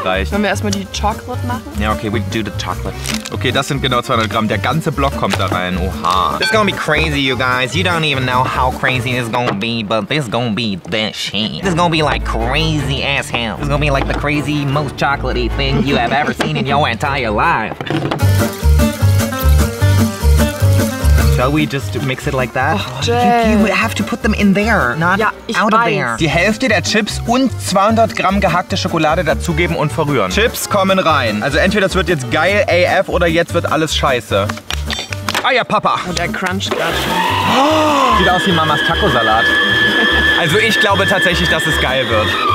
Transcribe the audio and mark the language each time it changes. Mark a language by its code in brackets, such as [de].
[de] Wollen wir erstmal die Chocolate machen? [en] Ja, okay, we do the chocolate. [de] Okay, das sind genau 200 Gramm. Der ganze Block kommt da rein. Oha. [en] This is gonna be crazy, you guys. You don't even know how crazy this is gonna be, but this is gonna be this shit. This is gonna be like crazy as hell. This is gonna be like the crazy most chocolatey thing you have ever seen in your entire life. Shall we just mix it like that? Oh, Jay. You have to put them in there, not [de] ja, [en] out [de] weiß. [en] Of there. [de] Die Hälfte der Chips und 200 Gramm gehackte Schokolade dazugeben und verrühren. Chips kommen rein. Also entweder das wird jetzt geil AF oder jetzt wird alles scheiße. Ah ja, Papa. Und der Crunch gerade schon. Oh, sieht aus wie Mamas Taco-Salat. Also ich glaube tatsächlich, dass es geil wird.